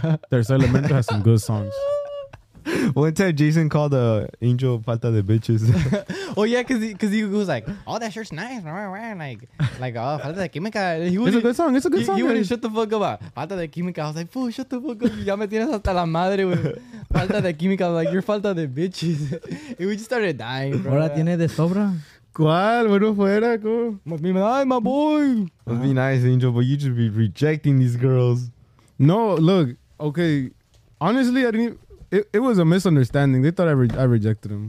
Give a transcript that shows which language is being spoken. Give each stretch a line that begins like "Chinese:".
English: Tercer Elemento has some good songs. One time Jason called the Angel Falta de Bitches. Oh yeah, cause he was like, oh, that shirt's nice, like oh, Falta de Química. It's a good song. It's a good song. He wouldn't shut the fuck up. Falta de Química. I was like, fool, shut the fuck up.
Spanish: Ya me tienes hasta la madre with Falta de Química. I was like, you're Falta de Bitches. And we just started dying, bro. Ahora tiene de sobra. ¿Cuál? Bueno fuera, co.
English: Must be nice, my boy. Must be nice, Angel. But you just be rejecting these girls. No, look. Okay. Honestly, I didn't. It was a misunderstanding. They thought I rejected him.